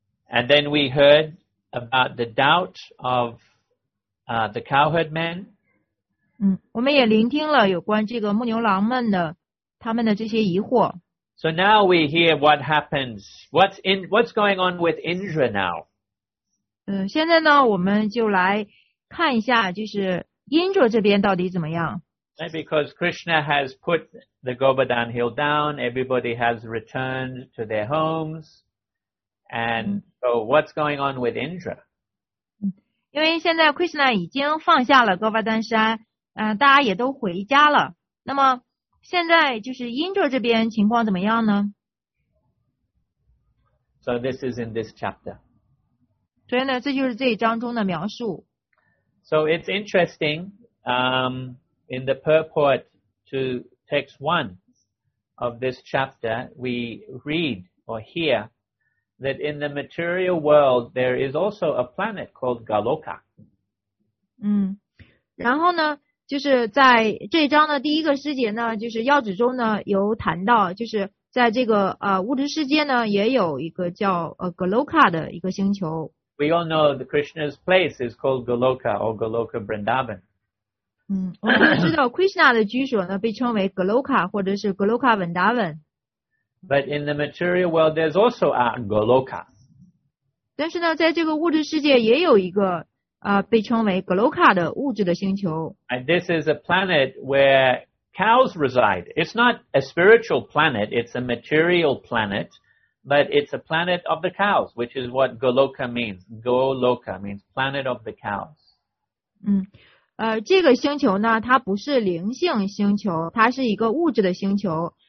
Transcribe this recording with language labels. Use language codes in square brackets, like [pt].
[en] And then we heard about the doubt of the cowherd men. [zh] 我们也聆听了有关这个牧牛郎们的他们的这些疑惑。 [en] So now we hear what happens. What's going on with Indra now? [zh] 现在呢我们就来看一下，就是 Indra 这边到底怎么样。 [en] Because Krishna has put the Govardhan Hill down, everybody has returned to their homes. And so what's going on with Indra? [zh] 因为现在 Krishna 已经放下了 Govardhan 山，大家也都回家了。那么现在就是 Indra 这边情况怎么样呢？ [en] So this is in this chapter. [zh] 所以呢，这就是这一章中的描述。 [en] So it's interesting, in the purport to text 1 of this chapter, we read or hear that in the material world, there is also a planet called Galoka. [zh] 然后呢就是在这章的第一个世界呢，就是要旨中呢有谈到，就是在这个物质世界呢也有一个叫Galoka 的一个星球。 [en] We all know the Krishna's place is called Galoka or Galoka Vrindavan. [zh] 我们知道 Krishna 的居所呢被称为 Galoka 或者是 Galoka Vrindavan。 [en] But in the material world, there's also a Galoka. [zh] 但是呢，在这个物质世界也有一个被称为 Galoka 的物质的星球。 [en] And this is a planet where cows reside. It's not a spiritual planet; it's a material planet, but it's a planet of the cows, which is what Galoka means. Galoka means planet of the cows. [zh] 这个星球呢，它不是灵性星球，它是一个物质的星球。